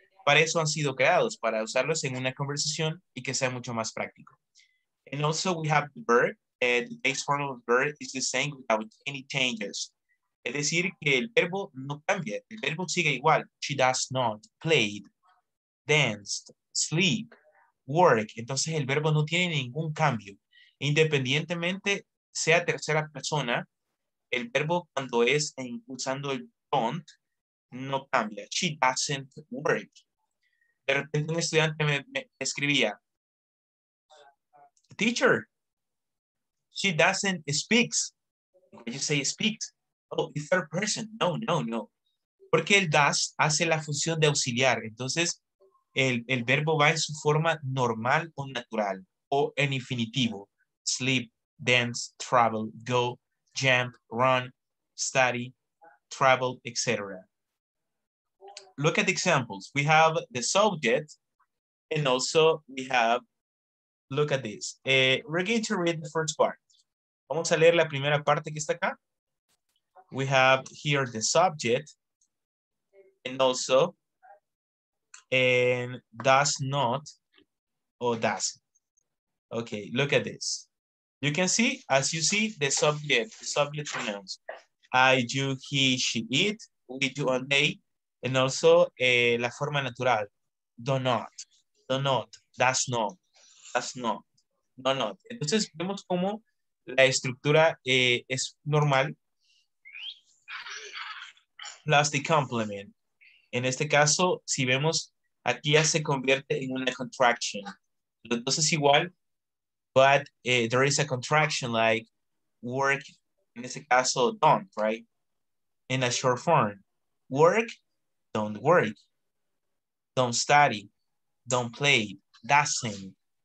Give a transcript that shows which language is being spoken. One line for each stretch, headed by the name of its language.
Spanish: Para eso han sido creados, para usarlos en una conversación y que sea mucho más práctico.
English: And also we have the verb. The base form of verb is the same without any changes.
Spanish: Es decir, que el verbo no cambia. El verbo sigue igual.
English: She does not, played, danced, sleep,
Spanish: work. Entonces el verbo no tiene ningún cambio. Independientemente sea tercera persona, el verbo cuando es en, usando el don't, no cambia.
English: She doesn't work.
Spanish: De repente un estudiante me escribía,
English: teacher, she doesn't speak. When you say speak, oh, it's third person. No, no, no.
Spanish: Porque el does hace la función de auxiliar. Entonces, el verbo va en su forma normal o natural, o en infinitivo.
English: Sleep, dance, travel, go, jump, run, study, travel, etc. Look at the examples. We have the subject, and also we have, look at this. We're going to read the first part.
Spanish: Vamos a leer la primera parte que está acá.
English: We have here the subject, and also, and does not, or does. Okay, look at this. You can see, as you see, the subject pronouns. I, you, he, she, it, we, you, and they, and also
Spanish: la forma natural.
English: Do not, does not, no not.
Spanish: Entonces vemos cómo la estructura es normal.
English: Plus the complement.
Spanish: En este caso, si vemos, aquí ya se convierte en una contraction. Entonces igual,
English: but there is a contraction like work,
Spanish: en este caso,
English: don't, right? In a short form. Work, don't work. Don't study. Don't play. Doesn't.